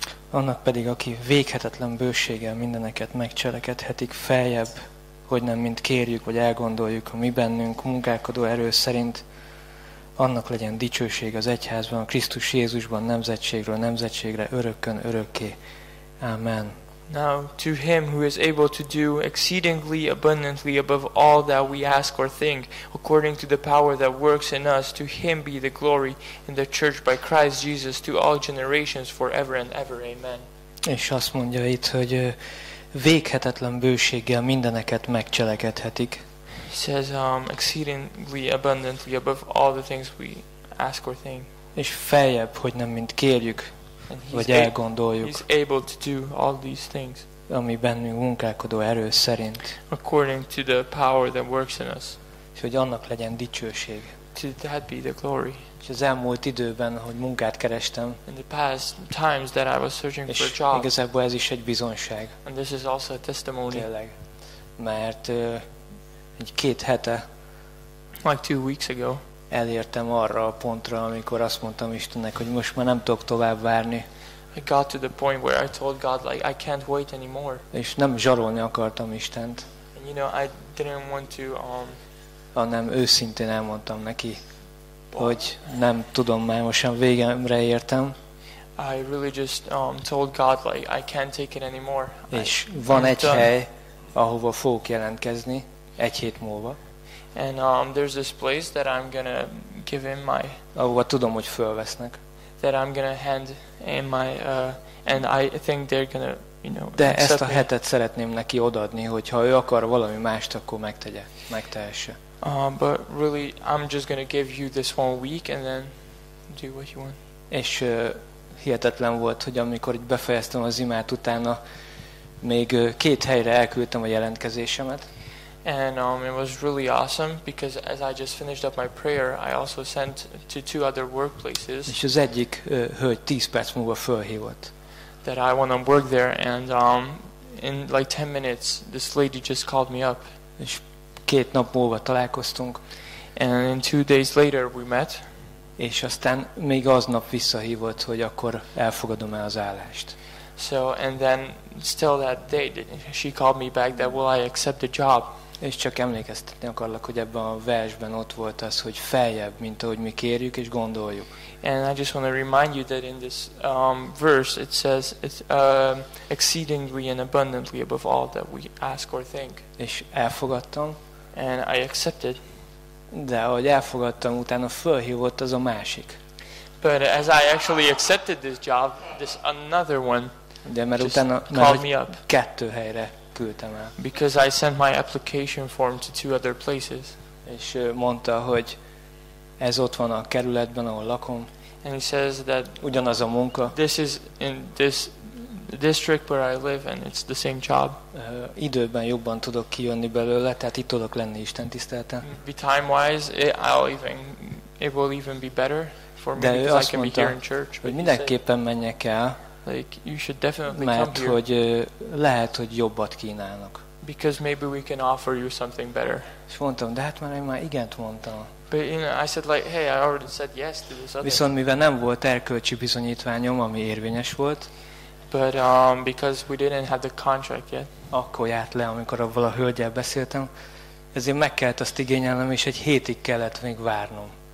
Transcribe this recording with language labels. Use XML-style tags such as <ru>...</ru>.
<hu>Annak pedig, aki véghetetlen bőséggel mindeneket megcselekedhetik feljebb, hogy nem mind kérjük vagy elgondoljuk a mi bennünk munkálkodó erő szerint, annak legyen dicsőség az egyházban, a Krisztus Jézusban, nemzetségről nemzetségre, örökkön örökké. Amen.</hu> <en>Now to him who is able to do exceedingly abundantly above all that we ask or think, according to the power that works in us, to him be the glory in the church by Christ Jesus to all generations forever and ever. Amen.</en> <hu>És azt mondja itt, hogy véghetetlen bőséggel mindeneket megcselekedhetik.</hu> <en>He says exceedingly abundantly above all the things we ask or think.</en> <hu>És feljebb, hogy nem mind kérjük vagy elgondoljuk.</hu> <en>He's able to do all these things.</en> <hu>Ami bennünk munkálkodó erő szerint.</hu> <en>According to the power that works in us.</en> <hu>És hogy annak legyen dicsőség.</hu> <en>To that be the glory.</en> <hu>És az elmúlt időben, hogy munkát kerestem.</hu> <en>In the past times that I was searching for a</en> <hu>job. És igazából ez is egy bizonyság.</hu> <en>And this is also a testimony.</en> <hu>Tényleg. Mert egy két hete,</hu> <en>like 2 weeks ago,</en> <hu>elértem arra a pontra, amikor azt mondtam Istennek, hogy most már nem tudok tovább várni.</hu> <en>I got to the point where I told God, like, I can't wait anymore.</en> <hu>És nem zsarolni akartam Istent.</hu> <en>And you know, I didn't want to,</en> <hu>hanem őszintén elmondtam neki, hogy nem tudom már, most már végemre értem.</hu> <en>I really just told God, like, I can't take it anymore.</en> <hu>És van egy hely, ahova fogok jelentkezni. Egy hét múlva.</hu> <en>And there's this place that I'm gonna give in my.</en> <hu>Ahova tudom, hogy fölvesznek.</hu> <en>That I'm gonna hand in my and I think they're gonna, you know.</en> <hu>De ezt a hetet szeretném neki odaadni, hogy ha ő akar valami mást, akkor megtegye, megtehesse.</hu> <en>But really, I'm just gonna give you this 1 week and then do what you want.</en> <hu>És hihetetlen volt, hogy amikor így befejeztem az imát utána, még két helyre elküldtem a jelentkezésemet.</hu> <en>And it was really awesome because as I just finished up my prayer, I also sent to 2 other workplaces.</en> <hu>És az egyik hölgy 10 perc múlva fölhívott.</hu> <en>That I want to work there, and in like 10 minutes, this lady just called me up.</en> <hu>És két nap múlva találkoztunk.</hu> <en>And 2 days later we met.</en> <hu>És aztán még aznap visszahívott, hogy akkor elfogadom-e az állást.</hu> <en>So and then still that day, she called me back that will I accept the job?</en> <hu>És csak emlékeztetni akarlak, hogy ebben a versben ott volt az, hogy feljebb, mint ahogy mi kérjük és gondoljuk.</hu> <en>And I just want to remind you that in this verse it says it's exceedingly and abundantly above all that we ask or think.</en> <hu>És elfogadtam.</hu> <en>And I accepted.</en> <hu>De ahogy elfogadtam, utána fölhívott az a másik.</hu> <en>But as I actually accepted this job, this another one.</en> <hu>De mert</hu> <en>just</en> <hu>utána</hu> <en>called me up.</en> <hu>Kettő helyre. Küldtem el.</hu> <en>Because I sent my application form to 2 other places.</en> <hu>És mondta, hogy ez ott van a kerületben, ahol lakom.</hu> <en>And he says that</en> <hu>ugyanaz a munka.</hu> <en>This is in this district where I live and it's the same job.</en> <hu>Időben jobban tudok kijönni belőle, tehát itt tudok lenni Isten tiszteleten.</hu> <en>Be time wise it will even be better for me.</en> <hu>De</hu> <en>because</en> <hu>ő azt</hu> <en>I can</en> <hu>mondta,</hu> <en>be here in church.</en> <hu>Hogy mindenképpen menjek el.</hu> <en>Like you should definitely</en> <hu>mert</hu> <en>come here.</en> <hu>Hogy lehet, hogy jobbat kínálnak.</hu> <en>Because maybe we can offer you something better.</en> <hu>És mondtam, de hát már igent mondtam.</hu> <en>But you know, I said like, hey, I already said yes to this other.</en> <hu>Viszont mivel nem volt erkölcsi bizonyítványom, ami érvényes volt.</hu> <en>But because we didn't have the contract yet.</en> <hu>Akkor járt le, amikor abban a hölgyel beszéltem. Ezért meg kellett azt igényelnem, és egy hétig kellett még várnom.</hu>